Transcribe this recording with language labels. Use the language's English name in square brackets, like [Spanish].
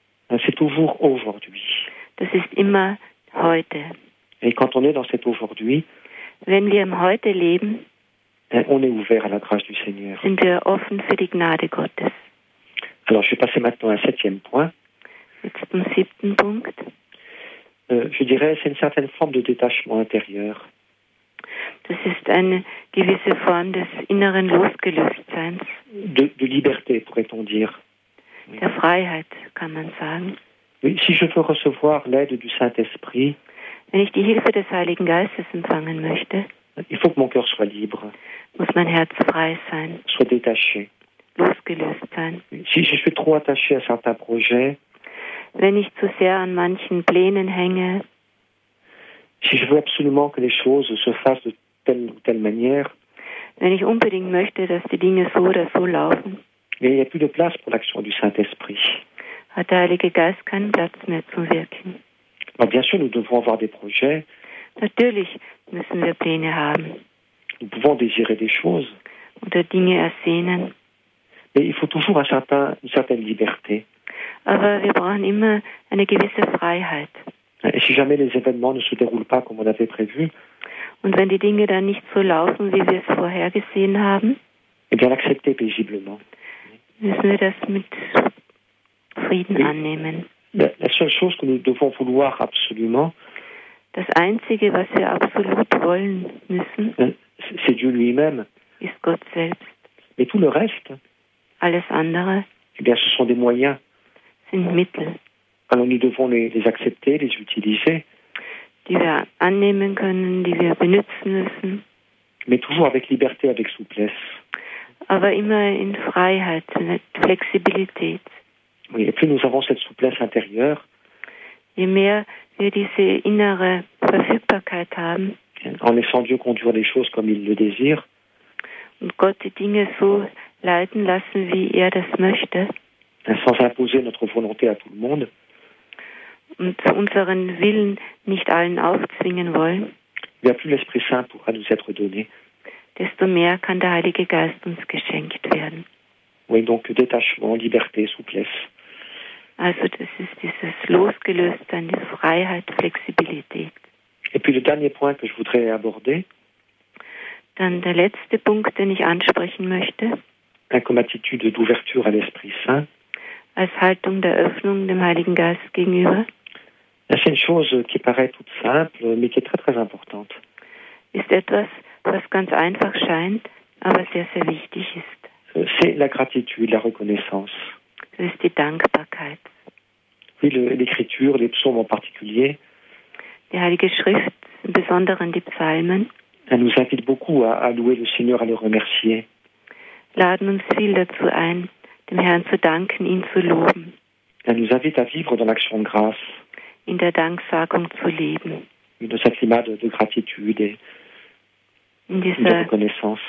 [French] c'est toujours aujourd'hui. [German] Das ist immer heute. [French] Et quand on est dans cet aujourd'hui, [German] wenn wir im Heute leben, [French] on est ouvert à la grâce du Seigneur. [German] Sind wir offen für die Gnade Gottes. [French] Alors, je vais passer maintenant à un septième point. [German] Jetzt zum siebten Punkt. [French] Je dirais, c'est une certaine forme de détachement intérieur. [German] Das ist eine gewisse Form des inneren Losgelöstseins. [French] De liberté, pourrait-on dire. [German] Der Freiheit, kann man sagen. [French] Oui, si je veux recevoir l'aide du Saint-Esprit, [German] wenn ich die Hilfe des Heiligen Geistes empfangen möchte, [French] il faut que mon cœur soit libre. [German] Muss mein Herz frei sein. [French] Soit détaché. [German] Losgelöst sein. [French] Si je suis trop attaché à certains projets, [German] wenn ich zu sehr an manchen Plänen hänge, [French] si je veux absolument que les choses se fassent de telle ou telle manière, [German] wenn ich unbedingt möchte, dass die Dinge so oder so laufen, [French] il n'y a plus de place pour l'action du Saint-Esprit. [German] Hat der Heilige Geist keinen Platz mehr zum Wirken. [French] Alors, bien sûr, nous devons avoir des projets. [German] Natürlich müssen wir Pläne haben. [French] Nous pouvons désirer des choses. [German] Oder Dinge ersehnen. [French] Mais il faut toujours une certaine liberté. [German] Aber wir brauchen immer eine gewisse Freiheit. [French] Et si jamais les événements ne se déroulent pas comme on avait prévu, [German] und wenn die Dinge dann nicht so laufen, wie wir es vorhergesehen haben, [French] et bien l'accepter paisiblement. [German] Müssen wir das mit Frieden et annehmen. [French] La seule chose que nous devons vouloir absolument, [German] das Einzige, was wir absolut wollen müssen, [French] c'est Dieu lui-même. [German] Ist Gott selbst. [French] Mais tout le reste, [German] alles andere, [French] eh bien, ce sont des moyens. [German] Sind Mittel. [French] Alors nous devons les accepter, les utiliser. [German] Die wir annehmen können, die wir benutzen müssen. [French] Mais toujours avec liberté, avec souplesse. [German] Aber immer in Freiheit, mit Flexibilität. [French] Oui, et plus nous avons cette souplesse intérieure, [German] je mehr wir diese innere Verfügbarkeit haben. [French] En laissant Dieu conduire les choses comme il le désire. [German] Und Gott die Dinge so leiten lassen, wie das möchte. [French] Sans imposer notre volonté à tout le monde. [German] Und unseren Willen nicht allen aufzwingen wollen. [French] Bien plus l'Esprit Saint pourra nous être donné. [German] Desto mehr kann der Heilige Geist uns geschenkt werden. [French] Oui, donc détachement, liberté, souplesse. [German] Also das ist dieses Losgelöstsein, die Freiheit, Flexibilität. [French] Et puis le dernier point que je voudrais aborder. [German] Dann der letzte Punkt, den ich ansprechen möchte. [French] Comme attitude d'ouverture à l'Esprit Saint. [German] Als Haltung der Öffnung dem Heiligen Geist gegenüber. [French] C'est une chose qui paraît toute simple, mais qui est très très importante. [German] Ist etwas, was ganz einfach scheint, aber sehr sehr wichtig ist. [French] C'est la gratitude, la reconnaissance. [German] Das ist die Dankbarkeit. [French] Oui, l'Écriture, les psaumes en particulier. [German] Die Heilige Schrift, insbesondere die Psalmen. [French] Elle nous invite beaucoup à louer le Seigneur, à le remercier. [German] Laden uns viel dazu ein, dem Herrn zu danken, ihn zu loben. [French] Elle nous invite à vivre dans l'action de grâce. [German] In der Danksagung zu leben. [French] De ce climat de gratitude et de reconnaissance.